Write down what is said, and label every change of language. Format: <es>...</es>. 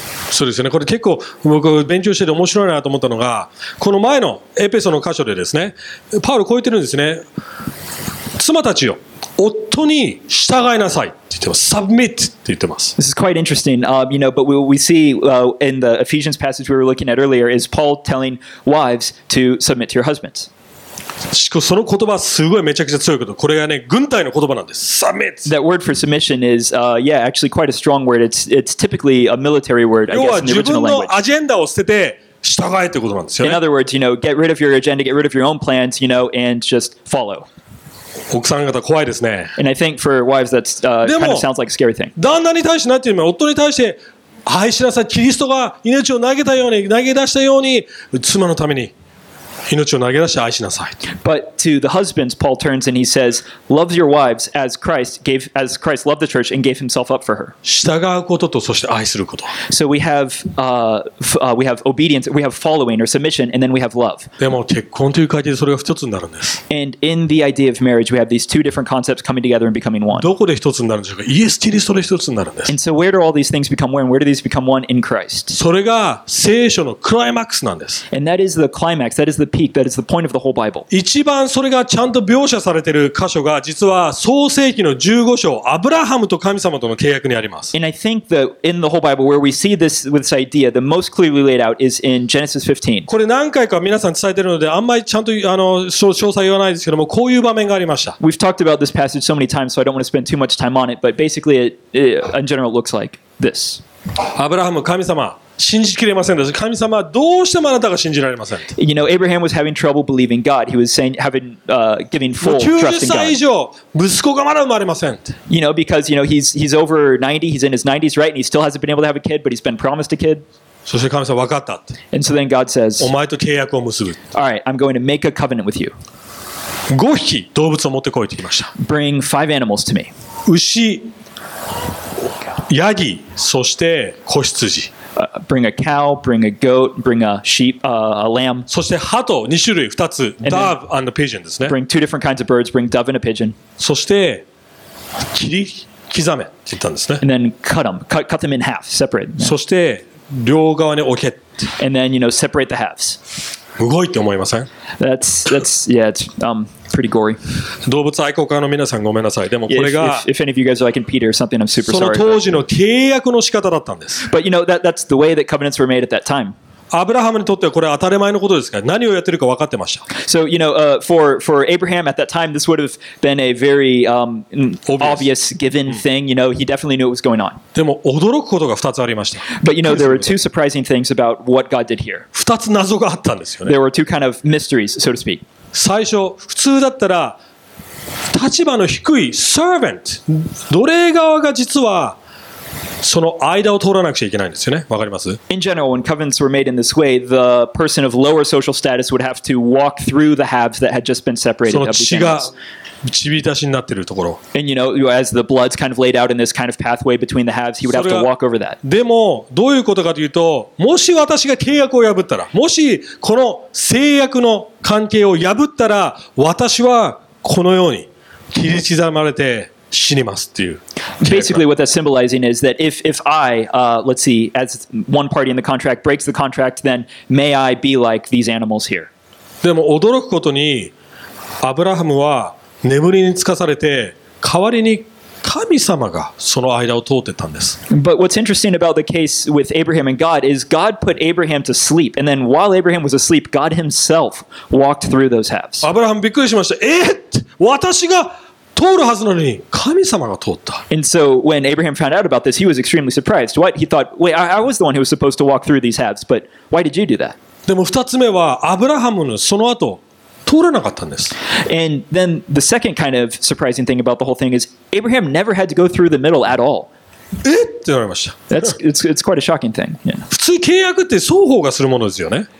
<ja>そうですね。これ結構僕勉強してて面白いなと思ったのが、この前のエペソの箇所でですね、パウロこう言ってるんですね。妻たちよ。夫に従いなさいって言ってます。 Submit って言ってます。</ja> <en>This is quite interesting. You know, but we see in the Ephesians passage we were looking at earlier is Paul telling wives to submit to your husbands.</en> <ja>しかもその言葉すごいめちゃくちゃ強いこと。これがね、軍隊の言葉なんです。</ja> <en>Submit. That word for submission is, yeah, actually quite a strong word. It's typically a military word, I guess, in the original language.</en> <ja>要は自分のアジェンダを捨てて従えってことなんですよね。</ja> <en>In other words, you know, get rid of your agenda, get rid of your own plans, you know, and just follow.</en> <ja>奥さん方怖いですね。</ja> <en>And I think for wives, that's kind of sounds like a scary thing.</en> <ja>旦那に対して何て言うの？夫に対して愛しなさい。キリストが命を投げたように、投げ出したように、妻のために命を投げ出して愛しなさい。</ja> <en>But to the husbands, Paul turns and he says, love your wives as Christ gave, as Christ loved the church and gave himself up for her.</en> <ja>従うこととそして愛すること。</ja> <en>So we have obedience, we have following or submission, and then we have love.</en> <ja>でも結婚という概念でそれが一つになるんです。</ja> <en>And in the idea of marriage, we have these two different concepts coming together and becoming one.</en> <ja>どこで一つになるんでしょうか？イエス・キリストで一つになるんです。</ja> <en>And so where do all these things become one? Where do these become one in Christ?</en> <ja>それが聖書のクライマックスなんです。</ja> <en>And that is the climax, that is the peak, that is the point of the whole Bible.</en> <ja>一番それがちゃんと描写されている箇所が実は創世記の15章、アブラハムと神様との契約にあります。</ja> <en>And I think that in the whole Bible where we see this with this idea, the most clearly laid out is in Genesis 15.</en> <ja>これ何回か皆さん伝えているのであんまりちゃんと詳細言わないですけども、こういう場面がありました。</ja> <en>We've talked about this passage so many times, so I don't want to spend too much time on it, but basically in general it looks like this.</en> <ja>アブラハム、神様。信じきれませんでした。神様はどうしてもあなたが信じられません。</ja> <en>You know, Abraham was having trouble believing God. He was saying, giving full trust in God. 90</en> <ja>歳以上、息子がまだ生まれません。</ja> <en>You know, because, you know, he's over 90, he's in his 90s, right? And he still hasn't been able to have a kid, but he's been promised a kid.</en> <ja>そして神様、分かったって。</ja> <en>And so then God says,</en> <ja>お前と契約を結ぶ。</ja> <en>Alright, I'm going to make a covenant with you.</en> <ja>5匹動物を持ってこいって言いました。</ja> <en>Bring five animals to me.</en> <ja>牛、ヤギ、そして子羊。</ja> <en>Bring a cow, bring a goat, bring a sheep, a lamb.</en> <ja>そして鳩2種類2つ</ja> <en>dove and a pigeon</en> <ja>ですね。</ja> <en>Bring two different kinds of birds, bring dove and a pigeon.</en> <ja>そして切り刻めって言ったんですね。</ja> <en>And then cut them in half, separate.</en> <ja>そして両側に置け。</ja> <en>And then, you know, separate the halves.</en> <ja>すごいって思いません？</ja> <en>That's yeah, it's pretty gory.</en> <ja>動物愛好家の皆さんごめんなさい。でもこれが</ja> <en>if any of you guys are like in Peter or something, I'm super sorry.</en> <ja>その当時の契約の仕方だったんです。</ja> <en>But you know that's the way that covenants were made at that time.</en> <ja>アブラハムにとってはこれは当たり前のことですから、何をやってるか分かってました。</ja> <en>So you know, for Abraham at that time, this would have been a very obvious given thing. You know, he definitely knew what was going on.</en> <ja>でも驚くことが2つありました。</ja> <en>But you know, there were two surprising things about what God did here.</en> <ja>2つ謎があったんですよね。</ja> <en>There were two kind of mysteries, so to speak.</en> <ja>最初普通だったら立場の低い servant 奴隷側が実はその間を通らなくちゃいけないんですよね。わかります？</ja> <en>In general, when covenants were made in this way, the person of lower social status would have to walk through the halves that had just been separated.</en> <ja>その血が血浸しになっているところ。</ja> <en>And you know, as the blood's kind of laid out in this kind of pathway between the halves, he would have to walk over that.</en> <ja>でもどういうことかというと、もし私が契約を破ったら、もしこの制約の関係を破ったら、私はこのように切り刻まれて。死にますっていう。</ja> <en>Basically, what that's symbolizing is that if I, let's see, as one party in the contract breaks the contract, then may I be like these animals here.</en> <ja>でも驚くことに、アブラハムは眠りにつかされて、代わりに神様がその間を通ってたんです。</ja> <en>But what's interesting about the case with Abraham and God is God put Abraham to sleep, and then while Abraham was asleep, God himself walked through those halves.</en> <ja>アブラハムびっくりしました。私が通るはずなのに神様が通った。</ja> <en>And so when Abraham found out about this, he was extremely surprised. What? He thought, wait, I was the one who was supposed to walk through these halves, but why did you do that?</en> <ja>でも二つ目はアブラハムのその後通らなかったんです。</ja> <en>And then the second kind of surprising thing about the whole thing is Abraham never had to go through the middle at all.</en> <ja>え？って言われました。</ja> <en>That's quite a shocking thing. Yeah.</en> <ja>普通契約って双方がするものですよね。</ja>